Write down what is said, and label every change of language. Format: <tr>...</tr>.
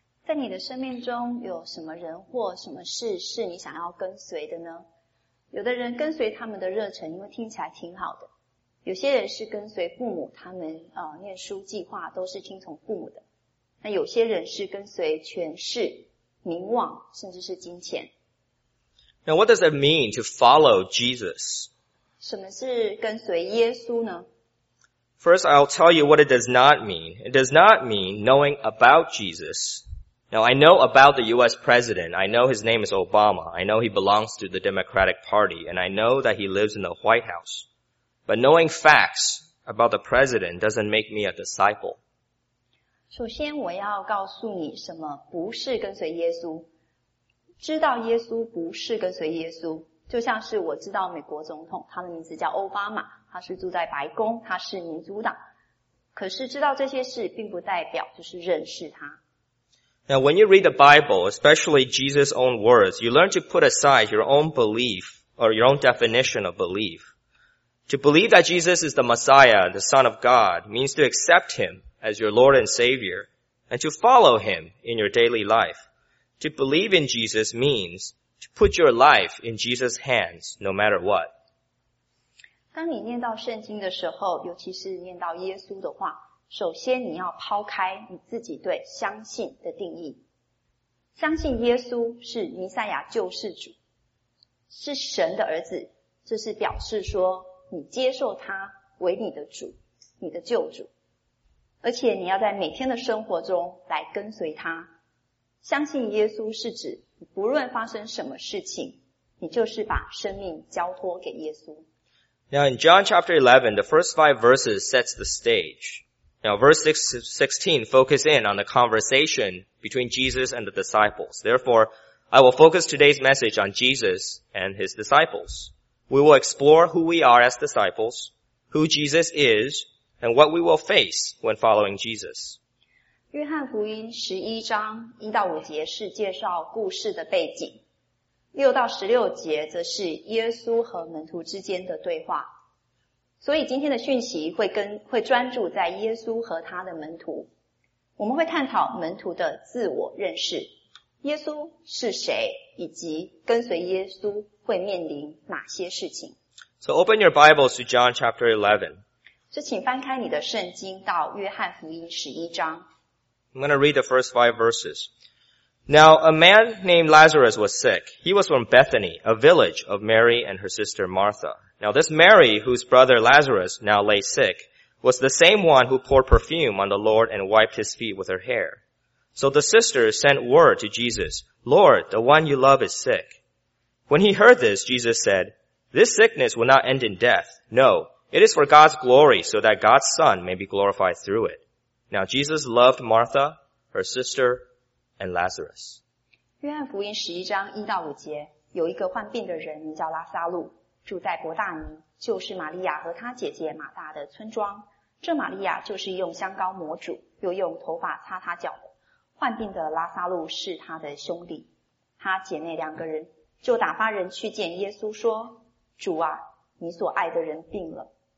<zh>在你的生命中有什么人或什么事是你想要跟随的呢？有的人跟随他们的热忱，因为听起来挺好的。有些人是跟随父母，他们念书计划都是听从父母的。那有些人是跟随权势、名望，甚至是金钱。</zh> <en>Now, what does it mean to follow Jesus?</en> <zh>什么是跟随耶稣呢？</zh> <en>First, I'll tell you what it does not mean. It does not mean knowing about Jesus. Now, I know about the U.S. president. I know his name is Obama. I know he belongs to the Democratic Party. And I know that he lives in the White House. But knowing facts about the president doesn't make me a disciple.</en> <zh>首先我要告诉你什么不是跟随耶稣。知道耶稣不是跟随耶稣，就像是我知道美国总统，他的名字叫奥巴马，他是住在白宫，他是民主党。可是知道这些事并不代表就是认识他。</zh> <en>Now, when you read the Bible, especially Jesus' own words, you learn to put aside your own belief or your own definition of belief. To believe that Jesus is the Messiah, the Son of God, means to accept him as your Lord and Savior and to follow him in your daily life. To believe in Jesus means to put your life in Jesus' hands, no matter what.</en> <zh>当你念到圣经的时候，尤其是念到耶稣的话，首先你要抛开你自己对相信的定义。相信耶稣是弥赛亚救世主，是神的儿子，这是表示说你接受他为你的主，你的救主。而且你要在每天的生活中来跟随他。相信耶稣是指不论发生什么事情，你就是把生命交托给耶稣。</zh> <en>Now in John chapter 11, the first five verses sets the stage. Now verse 16 focus in on the conversation between Jesus and the disciples. Therefore, I will focus today's message on Jesus and his disciples. We will explore who we are as disciples, who Jesus is, and what we will face when following Jesus.</en> <zh>约翰福音十一章一到五节是介绍故事的背景，六到十六节则是耶稣和门徒之间的对话。所以今天的讯息会专注在耶稣和他的门徒。我们会探讨门徒的自我认识，耶稣是谁，以及跟随耶稣会面临哪些事情。</zh> <en>So open your Bibles to John chapter 11.</en> <zh>就请翻开你的圣经到约翰福音十一章。</zh> <en>I'm going to read the first five verses. Now, a man named Lazarus was sick. He was from Bethany, a village of Mary and her sister Martha. Now, this Mary, whose brother Lazarus now lay sick, was the same one who poured perfume on the Lord and wiped his feet with her hair. So the sisters sent word to Jesus, Lord, the one you love is sick. When he heard this, Jesus said, This sickness will not end in death. No, it is for God's glory, so that God's Son may be glorified through it. Now, Jesus loved Martha, her sister, and Lazarus.</en> <zh>约翰福音十一章一到五节，有一个患病的人名叫拉撒路，住在伯大尼，就是玛利亚和她姐姐马大的村庄。这玛利亚就是用香膏抹主，又用头发擦他脚的。患病的拉撒路是他的兄弟。他姐妹两个人就打发人去见耶稣说，主啊，你所爱的人病了。</zh>